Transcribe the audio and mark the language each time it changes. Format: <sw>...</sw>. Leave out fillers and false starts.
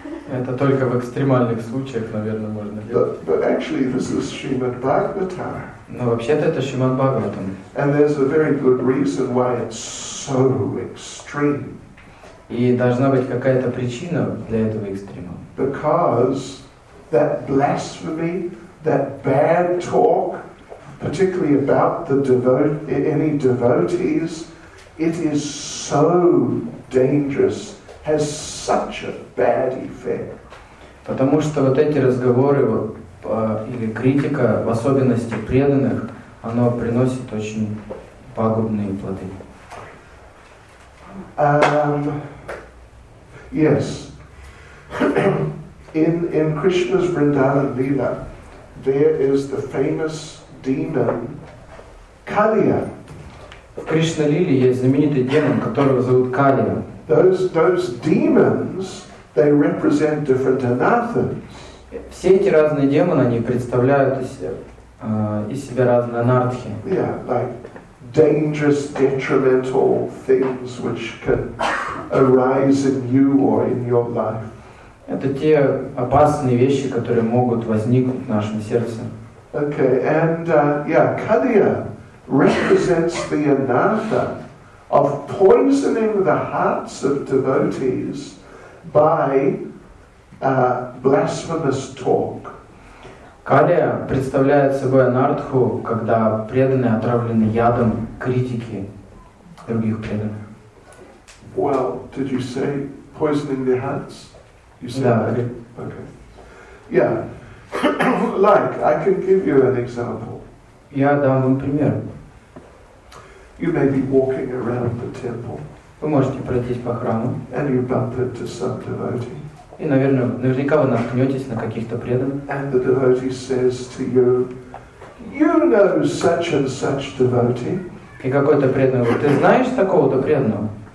<ru>Это только в экстремальных случаях, наверное, можно делать.</ru> <en>But actually this is Srimad Bhagavatam.</en> <ru>Но вообще-то это Шримад Бхагаватам.</ru> <en>And there's a very good reason why it's so extreme.</en> <ru>И должна быть какая-то причина для этого экстрима.</ru> <en>Because that blasphemy, that bad talk, particularly about the any devotees, it is so dangerous, has such a bad effect.</en> <ru>Потому что вот эти разговоры вот, или критика, в особенности преданных, оно приносит очень пагубные плоды.</ru> <en>Yes. In Krishna's Vrindavan Leela, there is the famous demon Kaliya.</en> <ru>В Кришна Лиле есть знаменитый демон, которого зовут Калия.</ru> <en>Those demons, they represent different anarthas.</en> <ru>Все эти разные демоны, они представляют из себя разные анартхи.</ru> <en>Yeah, like dangerous, detrimental things which can arise in you or in your life.</en> <ru>Это те опасные вещи, которые могут возникнуть в нашем сердце.</ru> <en>Okay, and Kaliya represents the anartha of poisoning the hearts of devotees by blasphemous talk.</en> <ru>Kaliya представляет собой анартху, когда преданные отравлены ядом критики других преданных.</ru> <en>Well, did you say poisoning their hearts? You said that? Okay. Yeah. Like, I can give you an example.</en> <ru>Я дам вам пример.</ru> <en>You may be walking around the temple.</en> <ru>Вы можете пройтись по храму.</ru> <en>And you bump into some devotee.</en> <ru>И, наверное, наверняка вы наткнетесь на каких-то преданных.</ru> <en>And the devotee says to you, you know such and such devotee.</en> <ru>И какой-то преданный говорит, ты знаешь такого-то преданного?</ru>